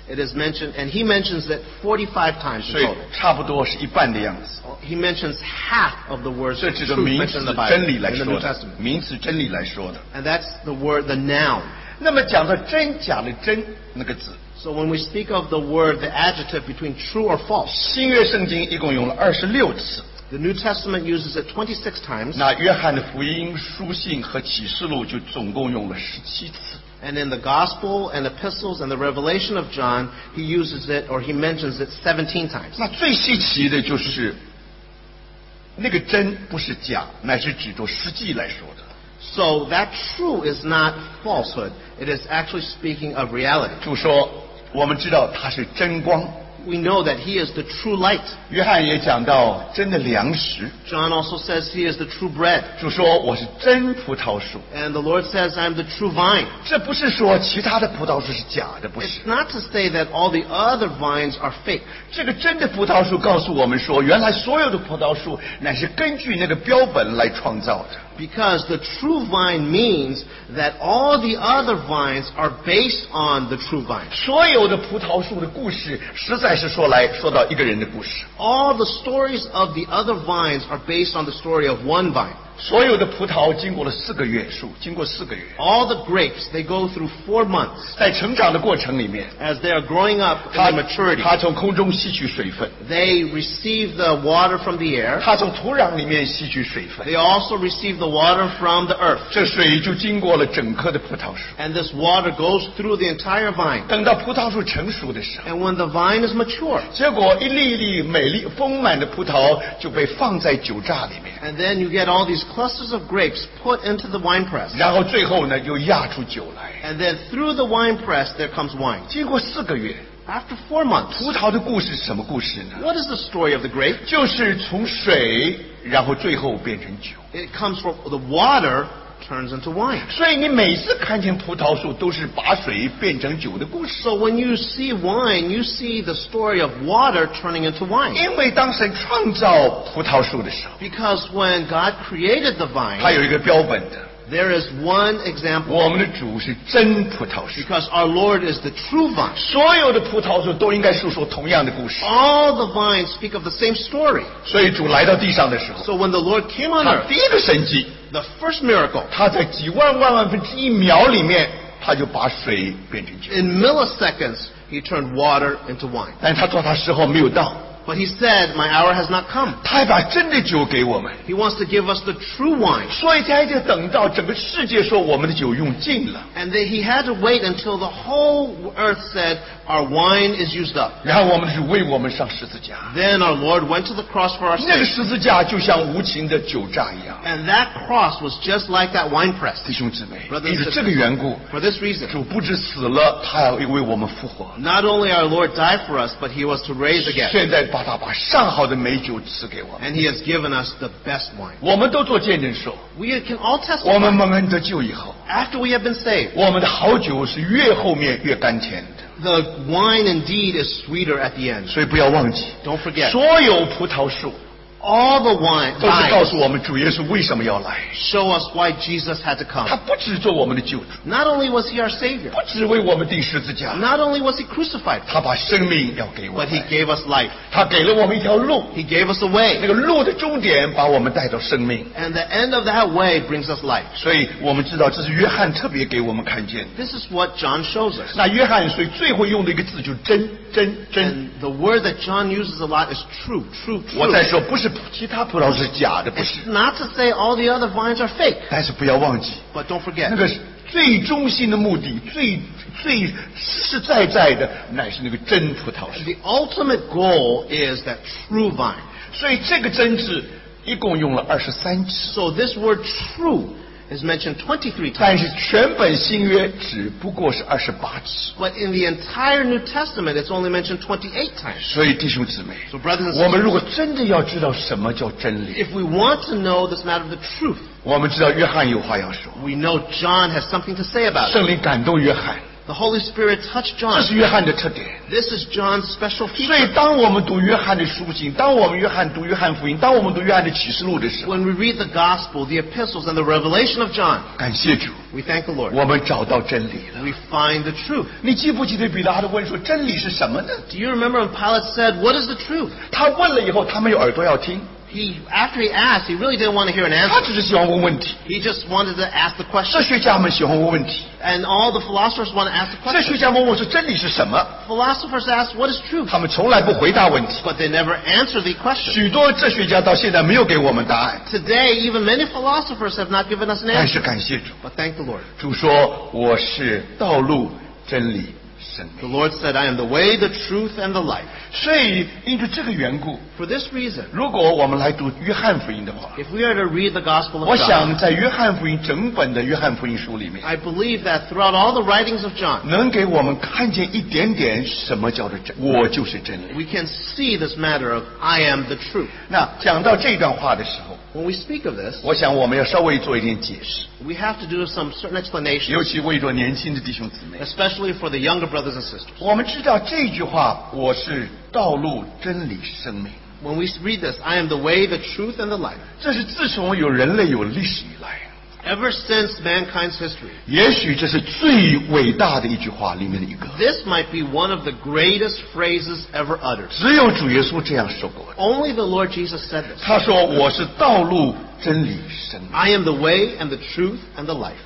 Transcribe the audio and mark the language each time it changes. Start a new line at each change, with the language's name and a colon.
English: It is mentioned, and he mentions that 45 times in total.
Chinese: 所以差不多是一半的样子。
English: He mentions half of the words truth mentioned in the New Testament.
Chinese: 名词真理来说的。
English: And that's the word, the noun.
Chinese: 那么讲的真假的真那个字。
English: So when we speak of the word, the adjective between true or false.
Chinese: 新约圣经一共用了26次。
English: The New Testament uses it 26 times.
Chinese: 那约翰的福音书信和启示录就总共用了17次。
English: And in the Gospel and Epistles and the Revelation of John, he uses it or he mentions it 17 times.
Chinese: 那最稀奇的就是那个真不是假，乃是指着实际来说的。
English: So that true is not falsehood. It is actually speaking of reality.
Chinese: 主说,我们知道他是真光。
English: We know that he is the true light.
Chinese: 约翰也讲到真的粮食。
English: John also says he is the true bread.
Chinese: 主说我是真葡萄树。
English: And the Lord says I'm the true vine.
Chinese: 这不是说其他的葡萄树是假的，不是。
English: It's not to say that all the other vines are fake.
Chinese: 这个真的葡萄树告诉我们说，原来所有的葡萄树乃是根据那个标本来创造的。
English: Because the true vine means that all the other vines are based on the true vine.
Chinese: 所有的葡萄树的故事实在是说来说到一个人的故事。
English: All the stories of the other vines are based on the story of one vine.
Chinese: 所有的葡萄经过了四个月，树经过四个月。
English: All the grapes, they go through 4 months.
Chinese: 在成长的过程里面。
English: As they are growing up in the maturity.
Chinese: 它从空中吸取水分。
English: They receive the water from the air.
Chinese: 它从土壤里面吸取水分。
English: They also receive the water from the earth.
Chinese: 这水就经过了整棵的葡萄树。
English: And this water goes through the entire vine.
Chinese: 等到葡萄树成熟的时候。
English: And when the vine is mature.
Chinese: 结果一粒一粒美丽丰满的葡萄就被放在酒榨里面。
English: And then you get all these clusters of grapes put into the wine press.
Chinese: 然后最后呢又压出酒来。
English: And then through the wine press there comes wine.
Chinese: 经过四个月。
English: After 4 months.
Chinese: 葡萄的故事是什么故事呢？
English: What is the story of the grape?
Chinese: 就是从水然后最后变成酒。
English: It comes from the water turns into wine.
Chinese: 所以你每次看见葡萄树都是把水变成酒的故事。
English: So when you see wine, you see the story of water turning into wine.
Chinese: 因为当神创造葡萄树的时候。
English: Because when God created the vine.
Chinese: 它有一个标本的。
English: There is one example.
Chinese: 我们的主是真葡萄树。
English: Because our Lord is the true vine.
Chinese: 所有的葡萄树都应该述说同样的故事。
English: All the vines speak of the same story.
Chinese: 所以主来到地上的时候。
English: So when the Lord came on earth.
Chinese: 他第一个神迹。
English: The first miracle.
Chinese: 他在几万万万分之一秒里面，他就把水变成酒。
English: In milliseconds, he turned water into wine.
Chinese: 但他说他时候没有到。
English: But he said, my hour has not come.
Chinese: 他把真的酒给我们。
English: He wants to give us the true wine.
Chinese: 所以他就等到整个世界说我们的酒用尽了。
English: And then he had to wait until the whole earth said, our wine is used up.
Chinese: 然后我们就为我们上十字架。
English: Then our Lord went to the cross for our sins.
Chinese: 那个十字架就像无情的酒榨一样。
English: And that cross was just like that wine press.
Chinese: 弟兄姊妹，因为这个缘故。
English: For this reason.
Chinese: 主不止死了，他要为我们复活。
English: Not only our Lord died for us, but he was to raise again.
Chinese: 现在把他把上好的美酒赐给我们。
English: And he has given us the best wine.
Chinese: 我们都做见证说。
English: We can all testify.
Chinese: 我们蒙恩得救以后。
English: After we have been saved.
Chinese: 我们的好酒是越后面越甘甜的。
English: The wine indeed is sweeter at the end.
Chinese: 所以不要忘记。
English: Don't forget.
Chinese: 所有葡萄树。
English: All the wine.
Chinese: 都是告诉我们主耶稣为什么要来。
English: Show us why Jesus had to come.
Chinese: 他不只做我们的救主。
English: Not only was he our savior.
Chinese: 不只为我们钉十字架。
English: Not only was he crucified.
Chinese: 他把生命要给我们。
English: But he gave us life.
Chinese: 他给了我们一条路。
English: He gave us a way.
Chinese: 那个路的终点把我们带到生命。
English: And the end of that way brings us life.
Chinese: 所以我们知道这是约翰特别给我们看见。
English: This is what John shows us.
Chinese: 那约翰所以最后用的一个字就真。真真
English: And the word that John uses a lot is true, true, true.
Chinese: 我在说不是其他葡萄是假的，不是。
English: It's not to say all the other vines are fake.
Chinese: 但是不要忘记。
English: But don't forget.
Chinese: 那个最中心的目的，最实实在在的，乃是那个真葡萄树。
English: The ultimate goal is that true vine.
Chinese: 所以这个真字一共用了23次。
English: So this word true. Is mentioned 23 times.
Chinese: 但是全本新约只不过是28次。
English: But in the entire New Testament, it's only mentioned 28 times.
Chinese: 所以弟兄姊妹，
English: so brothers and sisters,
Chinese: 我们如果真的要知道什么叫真理，
English: if we want to know this matter of the truth,
Chinese: 我们知道约翰有话要说。
English: We know John has something to say about it.
Chinese: 圣灵感动约翰。
English: The Holy Spirit touched John.
Chinese: 这是约翰的特点。
English: This is John's special feature.
Chinese: 所以当我们读约翰的书信，当我们约翰读约翰福音，当我们读约翰的启示录的时候，
English: When we read the Gospel, the Epistles, and the Revelation of John,
Chinese: 感谢主。
English: We thank the Lord.
Chinese: 我们找到真理了。
English: We find the truth.
Chinese: 你记不记得比拉多问说真理是什么呢？
English: Do you remember when Pilate said, "What is the truth?"
Chinese: 他问了以后，他没有耳朵要听。
English: After he asked, he really didn't want to hear an answer.
Chinese: 他只是喜欢问问题。
English: He just wanted to ask the question.
Chinese: 这学家们喜欢问问题。
English: And all the philosophers want to ask the question.
Chinese: 这学家们问说真理是什么？
English: Philosophers ask, what is truth?
Chinese: 他们从来不回答问题。
English: But they never answer the question.
Chinese: 许多哲学家到现在没有给我们答案。
English: Today, even many philosophers have not given us an answer.
Chinese: 但是感谢主。
English: But thank the Lord.
Chinese: 主说，我是道路、真理、
English: The Lord said, I am the way, the truth, and the life.
Chinese: 所以因着这个缘故,
English: For this reason,
Chinese: 如果我们来读约翰福音的话,
English: if we are to read the Gospel of
Chinese: God, 我想在约翰福音整本的约翰福音书里面,
English: I believe that throughout all the writings of John,
Chinese: 能给我们看见一点点什么叫做真理,
English: we can see this matter of I am the truth.
Chinese: 那讲到这段话的时候,
English: when we speak of this,
Chinese: 我想我们要稍微做一点解释,
English: we have to do some certain explanations,
Chinese: 尤其为着年轻的弟兄姊妹,
English: especially for the younger brothers and sisters.
Chinese: 我们知道这句话, 我是道路, 真理生命,
English: when we read this, I am the way, the truth, and the life.
Chinese: 这是自从有人类有历史以来,
English: ever since mankind's history,
Chinese: 也许这是最伟大的一句话里面的一个,
English: this might be one of the greatest phrases ever uttered.
Chinese: 只有主耶稣这样说过,
English: only the Lord Jesus said this.
Chinese: 他说我是道路,
English: I am the way and the truth and the life.